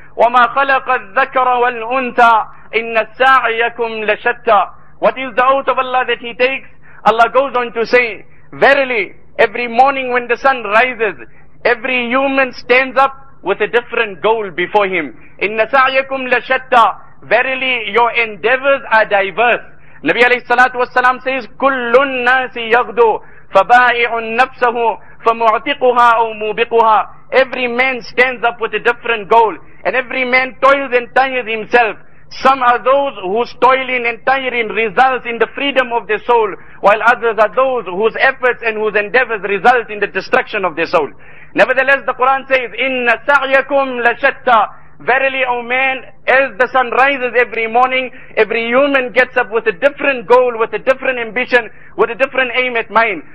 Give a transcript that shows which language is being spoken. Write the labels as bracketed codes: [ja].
[ar] وَمَا خَلَقَ الذَّكَرَ وَالْأُنْتَى إِنَّ السَّاعِيَكُمْ لَشَتَّى, [en] what is the oath of Allah that he takes? Allah goes on to say, verily, every morning when the sun rises, every human stands up with a different goal before him. [ar] إِنَّ سَاعِيَكُمْ لَشَتَّى, [en] verily, your endeavors are diverse. [ar] Nabi alayhi salatu wasalam says, كُلُّ النَّاسِ يَغْدُو فبائع نفسه فمعتقها أو موبقها. [en] Every man stands up with a different goal, and every man toils and tires himself. Some are those whose toiling and tiring results in the freedom of their soul, while others are those whose efforts and whose endeavors result in the destruction of their soul. Nevertheless, the Quran says, [ar] إن سعيكم لشتى, [en] verily, O man, as the sun rises every morning, every human gets up with a different goal, with a different ambition, with a different aim at mind.